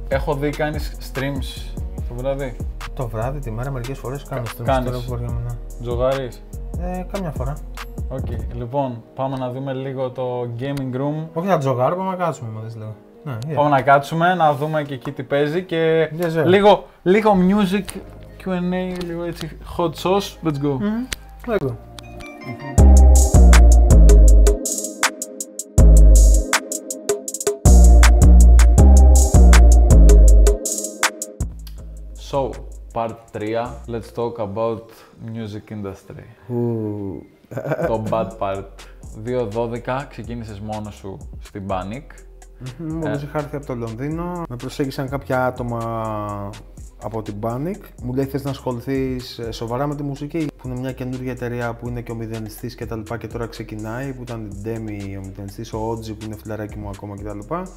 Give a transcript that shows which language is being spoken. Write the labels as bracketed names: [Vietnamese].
[Greek] Έχω δει, κάνεις streams το βράδυ. Το βράδυ, τη μέρα, μερικές φορές κάνω streams. Τζογάρεις. Καμιά φορά. [English] Okay. [Greek] Λοιπόν, πάμε να δούμε λίγο το gaming room. Όχι να τζογάρω, πάμε να κάτσουμε μόλις λίγο. Πάμε να κάτσουμε, να δούμε και εκεί τι παίζει και λίγο, λίγο music, Q&A, λίγο έτσι hot sauce. [English] Let's go. Let's go. Mm-hmm. So, part 3, let's talk about music industry. [Greek] Το [English] bad part. [Greek] 2012 ξεκίνησες μόνος σου στην Panic. Μόλις είχα έρθει από το Λονδίνο, με προσέγγισαν κάποια άτομα από την Panic. Μου λέει, θες να ασχοληθείς σοβαρά με τη μουσική, που είναι μια καινούργια εταιρεία που είναι και ο μηδενιστής και τα λοιπά και τώρα ξεκινάει, που ήταν η Demi ο μηδενιστής, ο Oji που είναι φιλαράκι μου ακόμα κτλ.